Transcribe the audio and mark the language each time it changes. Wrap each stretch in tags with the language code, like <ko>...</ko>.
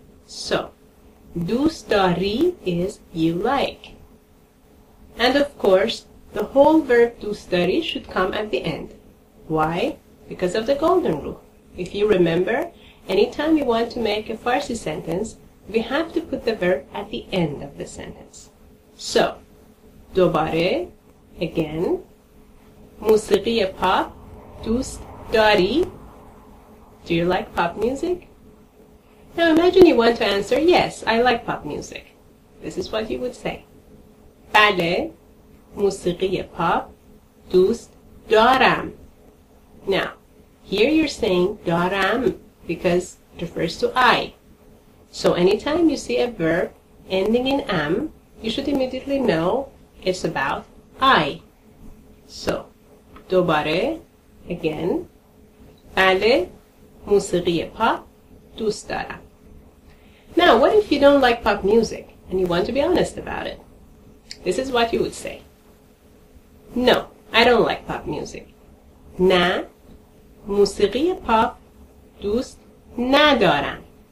<en>So,</en> <fa>دوست داری</fa> <en>is you like. And of course, the whole verb</en> <fa>دوست داری</fa> <en>should come at the end. Why? Because of the golden rule. If you remember, anytime you want to make a Farsi sentence, we have to put the verb at the end of the sentence. So,</en> <fa>دوباره,</fa> <en>again,</en> <fa>موسیقی پاپ دوست داری?</fa> <en>Do you like pop music? Now imagine you want to answer, yes, I like pop music. This is what you would say.</en> <fa>بله, موسیقی پاپ دوست دارم.</fa> <en>Now, here you're saying</en> <fa>دارم</fa> <en>because it refers to I. So anytime you see a verb ending in am, you should immediately know it's about I. So,</en> <fa>دوباره,</fa> <en>again,</en> <fa>بله, موسیقی پاپ دوست دارم.</fa> <en>Now, what if you don't like pop music and you want to be honest about it? This is what you would say. No, I don't like pop music.</en> <fa>نه, موسیقی پاپ دوست ندارم.</fa>